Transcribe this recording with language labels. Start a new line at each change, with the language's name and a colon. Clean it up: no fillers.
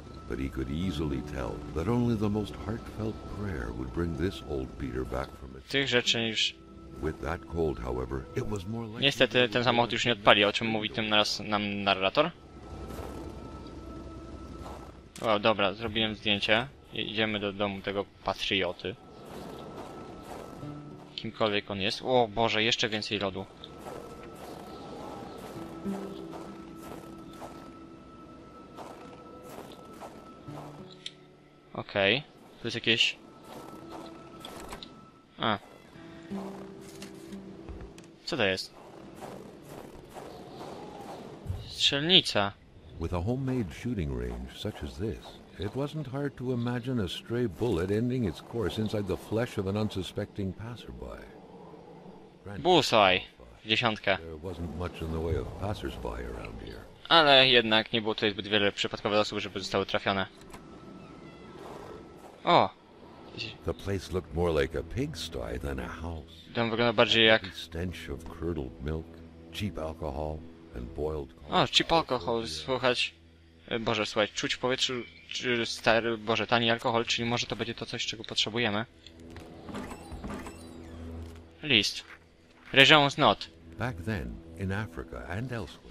English: But he could easily tell that only the most heartfelt prayer would bring this old Peter back from it.
Polish: Tych rzeczy już...
English: With that cold, however, it was more like...
Polish: Niestety ten samochód już nie odpali, o czym mówi tym naraz nam narrator. O, dobra, zrobiłem zdjęcie. Idziemy do domu tego patrioty. Kimkolwiek on jest. O Boże, jeszcze więcej lodu. Okej, okay. Tu jest jakieś... A. Co to jest? Strzelnica.
English: With a homemade shooting range such as this, it wasn't hard to imagine a stray bullet ending its course inside the flesh of an unsuspecting passerby.
Polish: Bullseye. Dziesiątka.
English: There wasn't much in the way of passersby around here.
Polish: Ale jednak nie było tutaj zbyt wiele przypadkowych osób, żeby zostały trafione. O!
English: The place looked more like a pigsty than a house.
Polish: Dom wygląda bardziej jak...
English: Stench of curdled milk, cheap alcohol, and boiled...
Polish: O,
English: cheap alcohol,
Polish: słuchać... Boże, słuchać, czuć w powietrzu, czy stary, boże, tani alkohol, czyli może to będzie to coś, czego potrzebujemy.
English: List. Réjeune's note. Back then, in Africa and elsewhere.